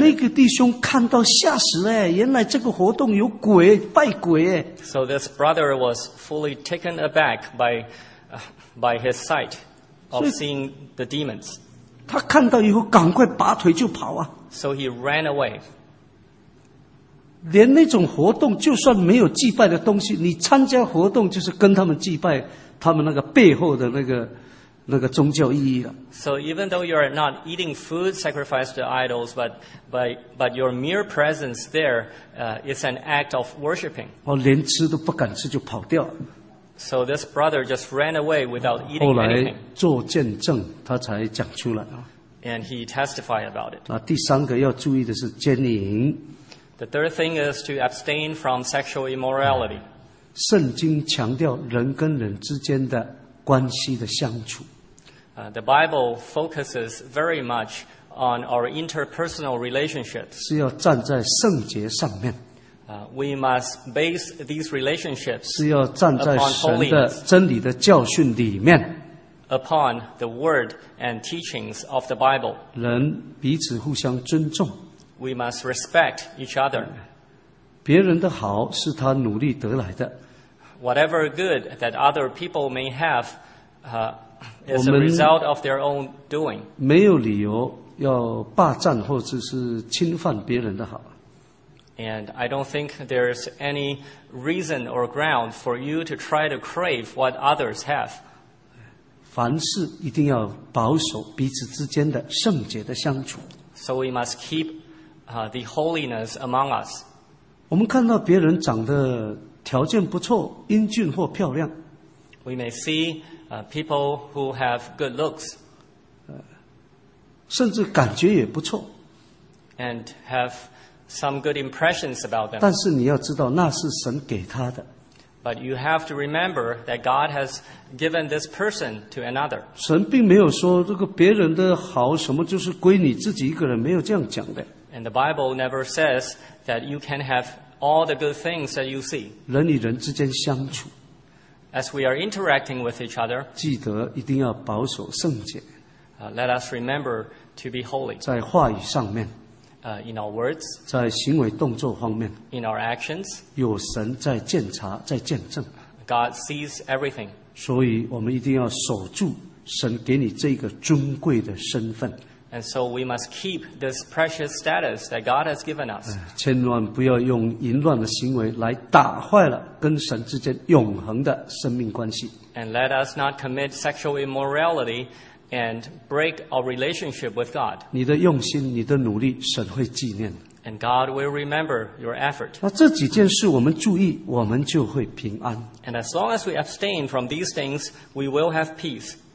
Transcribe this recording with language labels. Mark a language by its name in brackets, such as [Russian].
[Chinese] 那个弟兄看到吓死了，原来这个活动有鬼，拜鬼。 [English] So this brother was fully taken aback by his sight of seeing the demons. [Chinese] 他看到以后赶快拔腿就跑啊。 [English] So he ran away. [Chinese] 连那种活动就算没有祭拜的东西，你参加活动就是跟他们祭拜，他们那个背后的那个那个宗教意义了。 [English] So even though you are not eating food sacrificed to idols, but your mere presence there is an act of worshipping. [Chinese] 哦，连吃都不敢吃就跑掉。 [English] So this brother just ran away without eating anything. [Chinese] 后来做见证，他才讲出来啊。 [English] And he testified about it. [Chinese] 那第三个要注意的是奸淫。 [English] The third thing is to abstain from sexual immorality. [Chinese] 圣经强调人跟人之间的关系的相处。 [English] The Bible focuses very much on our interpersonal relationships. [Chinese] 是要站在圣洁上面。 [English] We must base these relationships [Chinese] 是要站在神的真理的教训里面。 [English] Upon the word and teachings of the Bible. [Chinese] 人彼此互相尊重。 [English] We must respect each other. [Chinese] 别人的好是他努力得来的。 [English] Whatever good that other people may have is a result of their own doing. [Chinese] 没有理由要霸占或者是侵犯别人的好。 [English] And I don't think there's any reason or ground for you to try to crave what others have. [Chinese] 凡事一定要保守彼此之间的圣洁的相处。 [English] So we must keep the holiness among us. [Chinese] 我们看到别人长得条件不错，英俊或漂亮。 [English] We may see people who have good looks. [Chinese] 甚至感觉也不错。 [English] And have some good impressions about them. [Chinese] 但是你要知道那是神给他的。 [English] But you have to remember that God has given this person to another. [Chinese] 神并没有说这个别人的好什么就是归你自己一个人，没有这样讲的。 [English] And the Bible never says that you can have all the good things that you see. [Chinese] 人与人之间相处。 [English] As we are interacting with each other, [Chinese] 记得一定要保守圣洁。 [English] Let us remember to be holy. [Chinese] 在话语上面。 [English] In our words, [Chinese] 在行为动作方面， [English] in our actions, [Chinese] 有神在鉴察，在见证。 [English] God sees everything. [Chinese] 所以我们一定要守住神给你这个尊贵的身份。 [English] And so we must keep this precious status that God has given us. [Chinese] 千万不要用淫乱的行为来打坏了跟神之间永恒的生命关系。 [English] And let us not commit sexual immorality. And break our relationship with God. [Chinese] 你的用心，你的努力，神会纪念。 [English] And God will remember your effort. [Chinese] 那这几件事我们注意，我们就会平安。 [English] And as long as we abstain from these things, we will have peace.